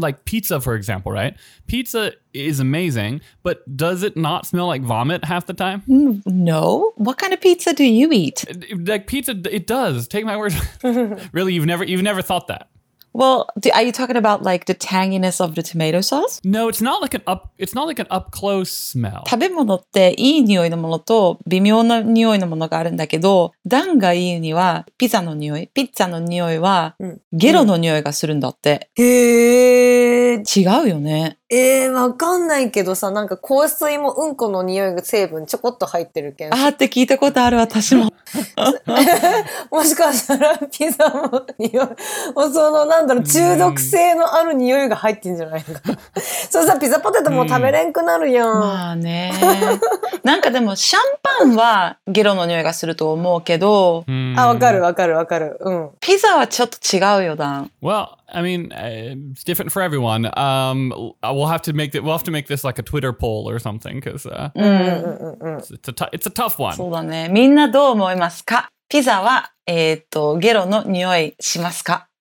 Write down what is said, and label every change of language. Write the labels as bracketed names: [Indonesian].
[English] Like pizza, for example, right? Pizza is amazing, but does it not smell like vomit half the time? No. What kind of pizza do you eat? Like pizza, it does. Take my word. Really, you've never thought that. Well, are you talking about like the tanginess of the tomato sauce? No, it's not like an up close smell. [Japanese] 食べ物っていい匂いのものと微妙な匂いのものがあるんだけど、ダンが言うにはピザの匂い、ピッツァの匂いはゲロの匂いがするんだって。へー。違うよね。わかんないけどさ、なんか香水もうんこの匂いが成分ちょこっと入ってるけん。あーって聞いたことある私も。もしかしたらピザも匂い、もうそのなんだろう、中毒性のある匂いが入ってんじゃないか。そうさ、ピザポテトも食べれんくなるやん。まあね。なんかでもシャンパンはゲロの匂いがすると思うけど。あ、わかるわかるわかる。うん。ピザはちょっと違うよ、ダン。 [English] Well. I mean, it's different for everyone. We'll have to make this like a Twitter poll or something, because it's a tough one. [Japanese] そうだね。みんなどう思いますか？ピザは、ゲロの匂いしますか？